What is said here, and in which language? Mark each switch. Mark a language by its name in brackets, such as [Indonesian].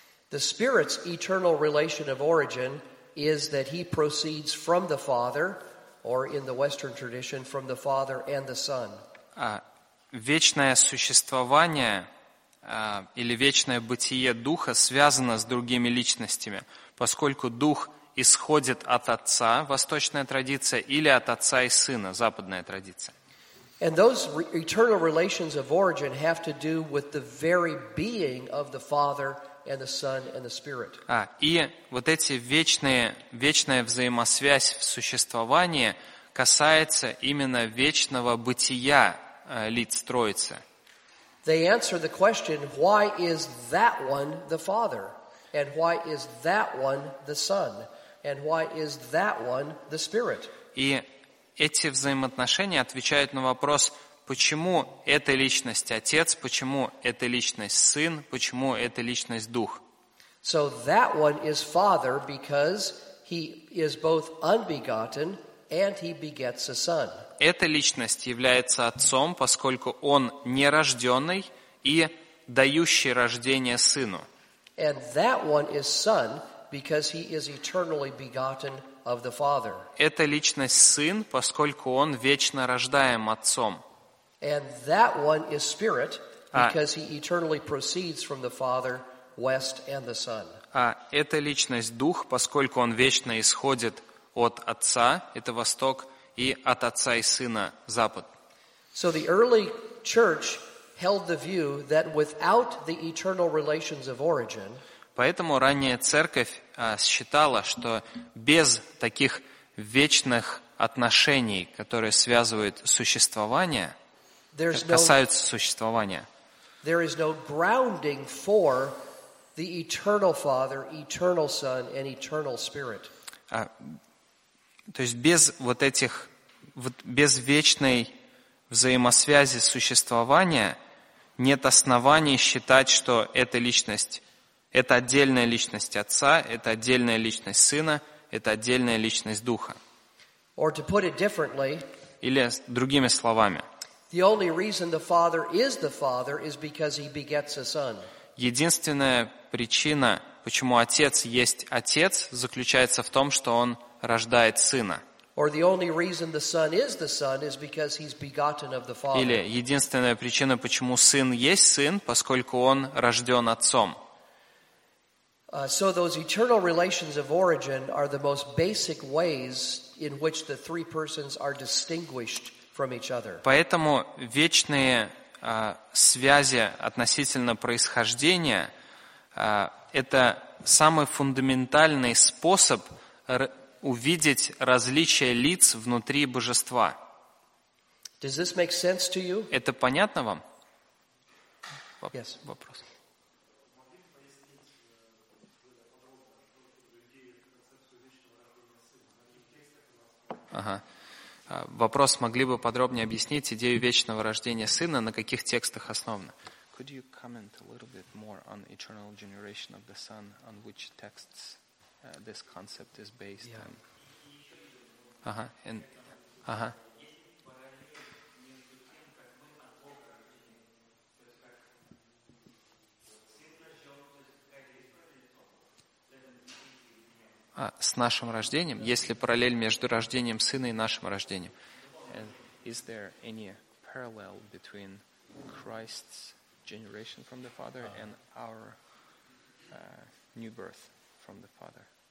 [English] The Spirit's eternal relation of origin is that He proceeds from the Father, or in the Western tradition, from the Father and the Son. [Russian] Вечное существование или вечное бытие Духа связано с другими личностями, поскольку Дух исходит от Отца, восточная традиция, или от Отца и Сына, западная традиция. [English] And those eternal relations of origin have to do with the very being of the Father and the Son and the Spirit. [Russian] И вот эти вечная взаимосвязь в существовании касается именно вечного бытия лиц Троицы. [English] They answer the question, why is that one the Father? And why is that one the Son? And why is that one the Spirit? [Russian] И эти взаимоотношения отвечают на вопрос, почему эта личность Отец, почему эта личность Сын, почему эта личность Дух? [English] So that one is Father because he is both unbegotten and he begets a Son. [Russian] Эта личность является Отцом, поскольку Он нерожденный и дающий рождение Сыну. [English] And that one is Son because he is eternally begotten of the Father. [Russian] Эта личность Сын, поскольку Он вечно рождаем Отцом. [English] And that one is Spirit because he eternally proceeds from the Father, West, and the Son. [Russian] А эта личность Дух, поскольку он вечно исходит от Отца, это Восток, и от Отца и Сына, Запад. [English] So the early church held the view that without the eternal relations of origin, [Russian] поэтому ранняя церковь считала, что без таких вечных отношений, которые связывают существование, касаются существования, [English] there is no grounding for the eternal Father, eternal Son, and eternal Spirit. [Russian] То есть без вот этих, без вечной взаимосвязи существования нет оснований считать, что эта личность, это отдельная личность Отца, это отдельная личность Сына, это отдельная личность Духа. [English] Or to put it differently, [Russian] или другими словами, [English] the only reason the Father is the Father is because he begets a Son. [Russian] Единственная причина, почему Отец есть Отец, заключается в том, что он рождает Сына. [English] Or the only reason the Son is the Son is because he's begotten of the Father. [Russian] Или единственная причина, почему Сын есть Сын, поскольку он рожден Отцом. [English] So those eternal relations of origin are the most basic ways in which the three persons are distinguished from each other. [Russian] Поэтому вечные связи относительно происхождения это самый фундаментальный способ увидеть различия лиц внутри божества. [English] Does this make sense to you? [Russian] Это понятно вам? [English] Yes. [Russian] Вопрос. Ага. Вопрос, могли бы подробнее объяснить идею вечного рождения Сына, на каких текстах основана? [English] Could you comment a little bit more on eternal generation of the Son, on which texts this concept is based? Yeah. [Russian] Ага. Ага. С нашим рождением? Есть ли параллель между рождением Сына и нашим рождением? [English] Is there any parallel between Christ's generation from the Father and our new birth from the Father?